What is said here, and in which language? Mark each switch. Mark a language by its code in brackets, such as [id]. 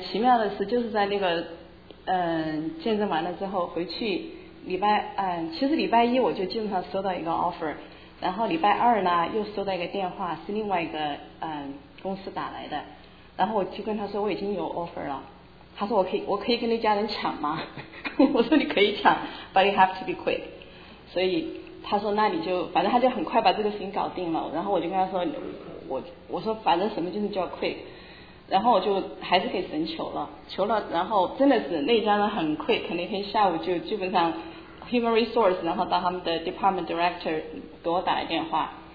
[zh] 奇妙的是就是在那个见证完了之后回去礼拜，其实礼拜一我就基本上收到一个 offer， 然后礼拜二呢又收到一个电话，是另外一个公司打来的，然后我就跟他说我已经有 offer 了，他说我可以跟那家人抢吗？我说你可以抢 ， [en] but you have to be quick。 [zh] 所以他说那你就反正他就很快把这个事情搞定了，然后我就跟他说我说反正什么就是叫 quick， 然后我就还是给神求了，然后真的是那家人很 quick， 那天下午就基本上 [en] human resource， [zh] 然后到他们的 [en] department director [zh] 给我打了电话。